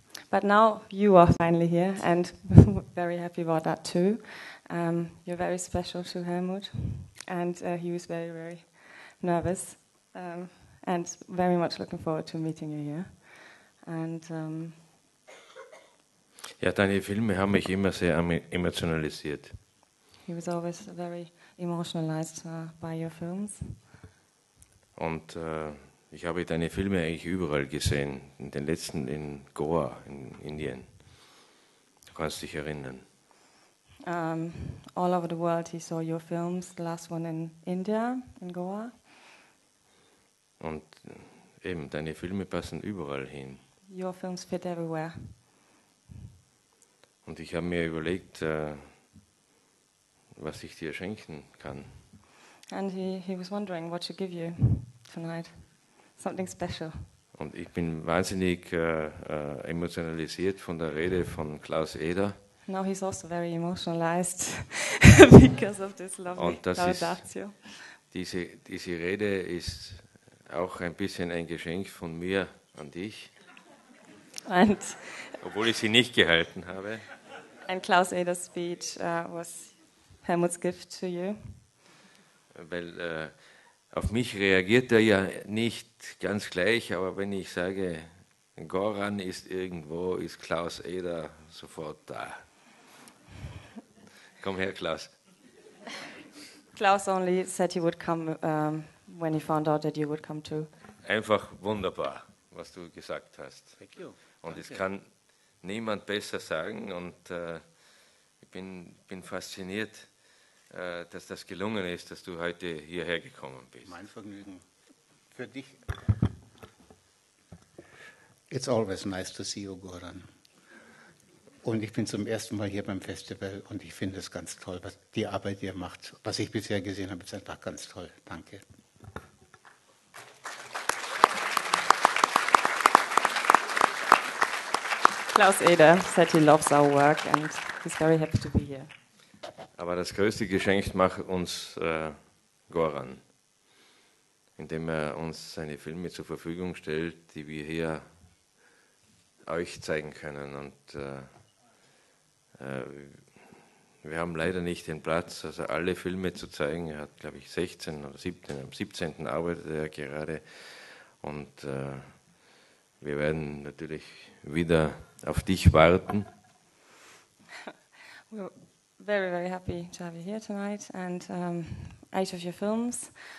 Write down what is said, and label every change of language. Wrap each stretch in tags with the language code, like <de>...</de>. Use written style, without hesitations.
<en>But now you are finally here, and very happy about that too. You're very special to Helmut, and he was very, very nervous, and very much looking forward to meeting you here. And</en> <de>ja, deine Filme haben mich immer sehr emotionalisiert.</de> <en>He was always very emotionalized by your films.</en> <de>Und ich habe deine Filme eigentlich überall gesehen, in den letzten in Goa, in Indien. Du kannst dich erinnern.</de> <en>All over the world he saw your films, the last one in India, in Goa.</en> <de>Und eben, deine Filme passen überall hin.</de> <en>Your films fit everywhere.</en> <de>Und ich habe mir überlegt, was ich dir schenken kann.</de> <en>And he was wondering what to give you tonight. Something special.</en> <de>Und ich bin wahnsinnig emotionalisiert von der Rede von Klaus Eder.</de> <en>Now he's also very emotionalized because of this lovely Laudatio.</en> <de>Diese Rede ist auch ein bisschen ein Geschenk von mir an dich.</de> <en>And</en> <de>obwohl ich sie nicht gehalten habe.</de> <en>And Klaus Eder's speech was Helmut's gift to you.</en> <de>Weil auf mich reagiert er ja nicht ganz gleich, aber wenn ich sage, Goran ist irgendwo, ist Klaus Eder sofort da. Komm her, Klaus.</de> <en>Klaus only said he would come when he found out that you would come too.</en> <de>Einfach wunderbar, was du gesagt hast.</de> <en>Thank you.</en> <de>Und es kann niemand besser sagen, und ich bin fasziniert, dass das gelungen ist, dass du heute hierher gekommen bist. Mein Vergnügen. Für dich.</de> <en>It's always nice to see you, Goran.</en> <de>Und ich bin zum ersten Mal hier beim Festival, und ich finde es ganz toll, was die Arbeit, die ihr macht. Was ich bisher gesehen habe, ist einfach ganz toll. Danke.</de> <en>Klaus Eder said he loves our work and he's very happy to be here.</en> <de>Aber das größte Geschenk macht uns Goran, indem er uns seine Filme zur Verfügung stellt, die wir hier euch zeigen können. Und wir haben leider nicht den Platz, also alle Filme zu zeigen. Er hat, glaube ich, 16 oder 17, am 17. arbeitet er gerade. Und wir werden natürlich wieder auf dich warten.</de> <en>We're very, very happy to have you here tonight. And eight of your films.</en>